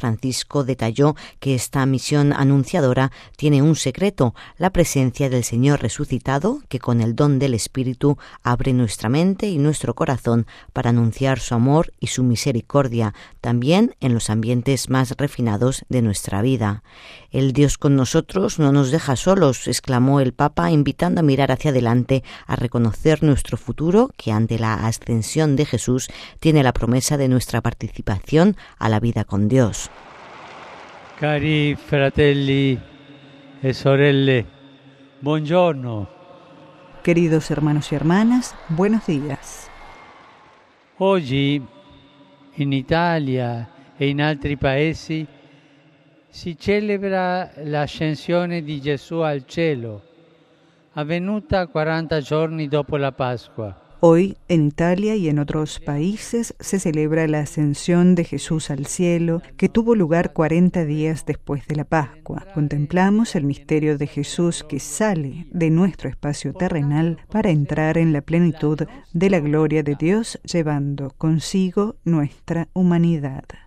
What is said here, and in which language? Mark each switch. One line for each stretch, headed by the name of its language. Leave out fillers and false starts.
Spanish: Francisco detalló que esta misión anunciadora tiene un secreto: la presencia del Señor resucitado, que con el don del Espíritu abre nuestra mente y nuestro corazón para anunciar su amor y su misericordia, también en los ambientes más refinados de nuestra vida. El Dios con nosotros no nos deja solos, exclamó el Papa, invitando a mirar hacia adelante, a reconocer nuestro futuro, que ante la ascensión de Jesús tiene la promesa de nuestra participación a la vida con Dios.
Italian: Cari fratelli e sorelle, buongiorno.
Spanish: Queridos hermanos y hermanas, buenos días. Hoy, en
Italian: Italia e in altri paesi, si celebra l'ascensione di Gesù al cielo, avvenuta 40 giorni dopo la Pascua.
Spanish: Hoy, en Italia y en otros países, se celebra la ascensión de Jesús al cielo, que tuvo lugar 40 días después de la Pascua. Contemplamos el misterio de Jesús que sale de nuestro espacio terrenal para entrar en la plenitud de la gloria de Dios, llevando consigo nuestra humanidad.